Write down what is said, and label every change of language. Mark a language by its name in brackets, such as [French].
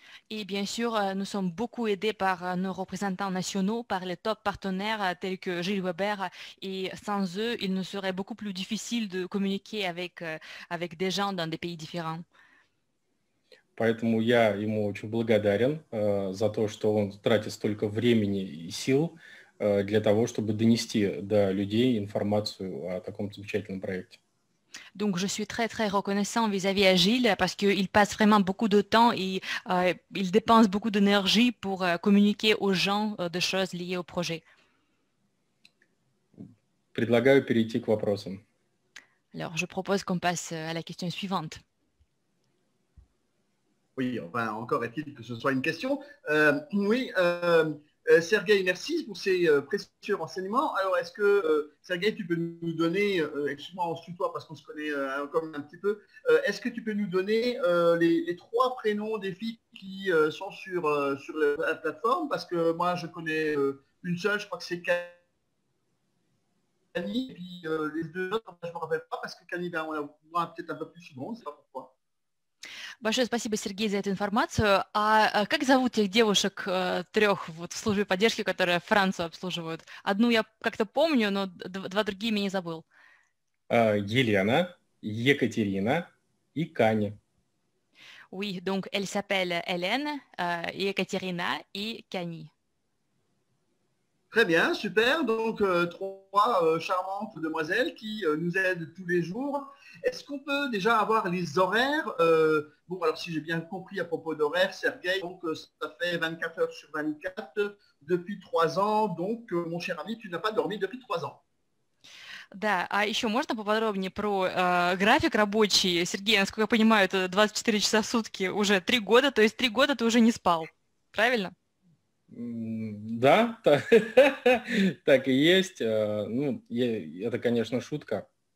[French] Et bien sûr, nous sommes beaucoup aidés par nos représentants nationaux, par les top partenaires tels que Gilles Weber. Et sans eux, il nous serait beaucoup plus difficile de communiquer avec des gens dans des pays différents. [Russian] Поэтому я ему очень благодарен за то, что он тратит столько времени и сил для того, чтобы донести до людей информацию о таком замечательном проекте. [French] Donc je suis très très reconnaissant vis-à-vis à Gilles parce qu'il passe vraiment beaucoup de temps et il dépense beaucoup d'énergie pour communiquer aux gens de choses liées au projet. [Russian] Предлагаю перейти к вопросам. [French] Alors je propose qu'on passe à la question suivante. Oui, enfin, encore est-il que ce soit une question. Sergueï, merci pour ces précieux renseignements. Alors, est-ce que, Sergueï, tu peux nous donner, excuse-moi, on se tutoie parce qu'on se connaît quand même un petit peu, est-ce que tu peux nous donner les trois prénoms des filles qui sont sur la plateforme? Parce que moi, je connais une seule, je crois que c'est Cani, et puis les deux autres, je ne me rappelle pas, parce que Cani, ben, on la voit peut-être un peu plus souvent, on ne sait pas pourquoi. [Russian] Большое спасибо, Сергей, за эту информацию. А как зовут тех девушек трех вот, в службе поддержки, которые Францию обслуживают? Одну я как-то помню, но два другие меня забыл. Елена, Екатерина и Каня. Oui, donc elle s'appelle Hélène, Екатерина и Кани. [French] Très bien, super. Donc, trois charmantes demoiselles qui nous aident tous les jours. Est-ce qu'on peut déjà avoir les horaires? Bon, alors si j'ai bien compris à propos d'horaires, Sergueï, donc ça fait 24 heures sur 24 depuis 3 ans. Donc, mon cher ami, tu n'as pas dormi depuis 3 ans. [Russian] Да, а еще можно поподробнее про график рабочий? Сергей, насколько я понимаю, это 24 часа в сутки уже 3 года, то есть 3 года ты уже не спал, правильно? Да, так и есть. Ну, это, конечно, шутка.